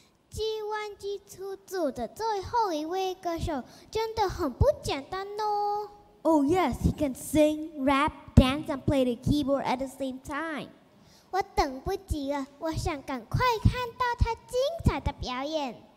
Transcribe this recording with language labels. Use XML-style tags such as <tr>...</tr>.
<zh>计万计出组的最后一位歌手真的很不简单哦。</zh> <en>Oh yes, he can sing, rap,dance and play the keyboard at the same time.</en> <zh>我等不及了，我想赶快看到他精彩的表演。</zh>